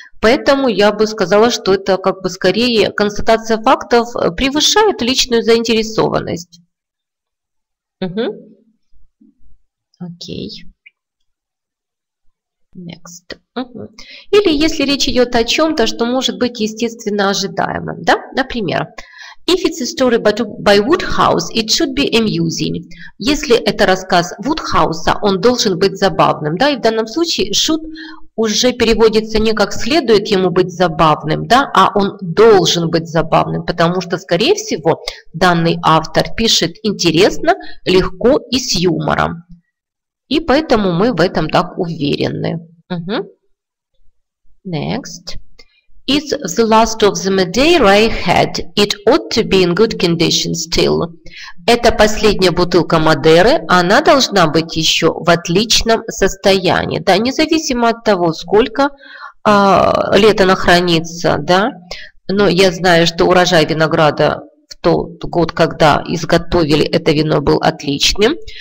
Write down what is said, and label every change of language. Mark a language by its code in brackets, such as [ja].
[ru] Поэтому я бы сказала, что это как бы скорее констатация фактов превышает личную заинтересованность. Угу. Окей. [en] Next. [ru] Или если речь идет о чем-то, что может быть естественно ожидаемо, да? [en] Например, if it's a story by Woodhouse, it should be amusing. [ru] Если это рассказ Вудхауса, он должен быть забавным, да? И в данном случае should уже переводится не как следует ему быть забавным, да, а он должен быть забавным, потому что, скорее всего, данный автор пишет интересно, легко и с юмором. И поэтому мы в этом так уверены. Угу. Next. [en] It's the last of the Madeira I had. It ought to be in good condition still. [ru] Это последняя бутылка Мадеры. Она должна быть еще в отличном состоянии. Да, независимо от того, сколько лет она хранится. Да, но я знаю, что урожай винограда в тот год, когда изготовили это вино, был отличным.